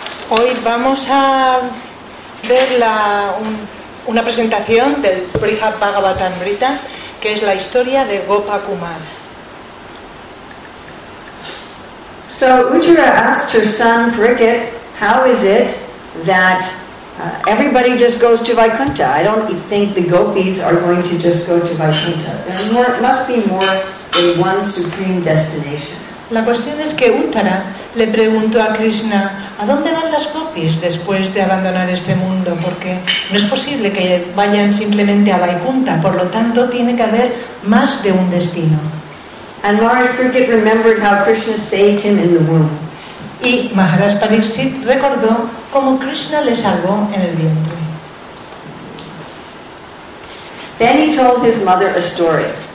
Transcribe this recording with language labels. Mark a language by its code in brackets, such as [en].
[es] Hoy vamos a ver una presentación del Brihad Bhagavatamrita, que es la historia de Gopakumar. [en] So Ujjara asked her son Pariket, how is it that everybody just goes to Vaikuntha? I don't think the gopis are going to just go to Vaikuntha. There must be more than one supreme destination. [es] La cuestión es que Uttara le preguntó a Krishna, ¿a dónde van las gopis después de abandonar este mundo? Porque no es posible que vayan simplemente a Vaikuntha, por lo tanto tiene que haber más de un destino. [en] And Maharaj Pariksit remembered how Krishna saved him in the womb. [es] Y Maharaj Pariksit recordó cómo Krishna le salvó en el vientre. [en] Then he told his mother a story.